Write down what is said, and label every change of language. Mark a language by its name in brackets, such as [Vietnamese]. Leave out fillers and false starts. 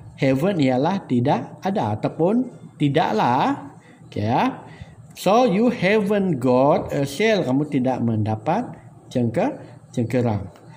[Malay] Haven ialah tidak ada ataupun tidaklah. Okay. [English] So, you haven't got a shell. [Malay] Kamu tidak mendapat cengkerang.